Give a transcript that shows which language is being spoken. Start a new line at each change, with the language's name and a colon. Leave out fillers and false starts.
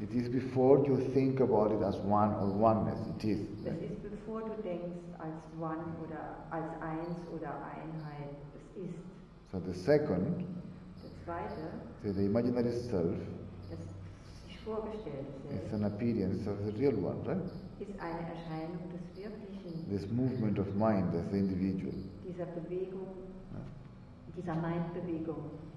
English: It is before you think about it as one or oneness, it is.
German: Es ist bevor du denkst als one oder als eins oder Einheit, es ist.
English: So the second,
German: der zweite,
English: see, the imaginary self,
German: das sich vorgestellt
English: ist, an appearance of the real one, right?
German: Ist eine Erscheinung des Wirklichen.
English: This movement of mind as the individual.
German: Dieser Bewegung, dieser Mindbewegung.